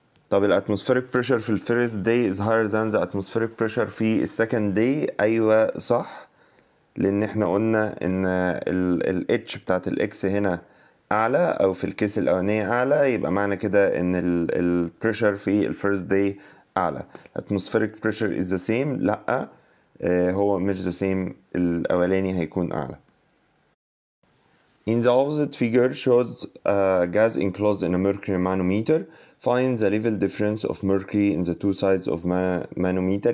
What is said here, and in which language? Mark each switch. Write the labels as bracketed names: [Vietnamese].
[Arabic] طب الـ [English] atmospheric pressure في الـ first day is higher than the atmospheric pressure في الـ second day. [Arabic] أيوة صح، لأن احنا قلنا إن الـ H بتاعت الـ X هنا أعلى، أو في الكيس الأولانية أعلى، يبقى معنى كده إن الـ pressure في الـ first day أعلى. [English] atmospheric pressure is the same، [Arabic] لأ هو مش [English] the same، [Arabic] الأولاني هيكون أعلى. [English] In the opposite figure shows a gas enclosed in a mercury manometer. Find the level difference of mercury in the two sides of manometer.